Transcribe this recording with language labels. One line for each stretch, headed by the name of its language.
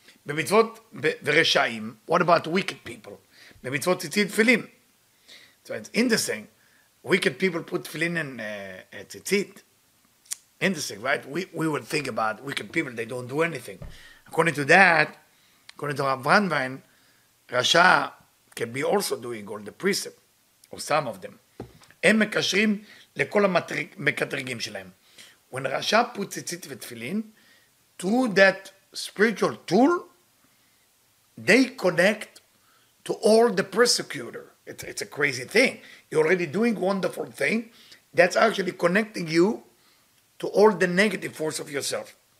Hebrew: B'mitzvot v'reshaim,
English: what about wicked people?
Hebrew: B'mitzvot tzitzit tefillin.
English: So it's interesting. Wicked people put tefillin in tzitzit. Interesting, right? We would think about wicked people, they don't do anything. According to that, according to Rav Brandwein, Rasha can be also doing all the precept, or some of them.
Hebrew: Em mekashrim לכל המקטרגים שלהם.
English: When Rasha put tzitzit ותפילין, through that spiritual tool, they connect to all the persecutor. It's a crazy thing. You're already doing wonderful thing. That's actually connecting you to all the negative force of yourself.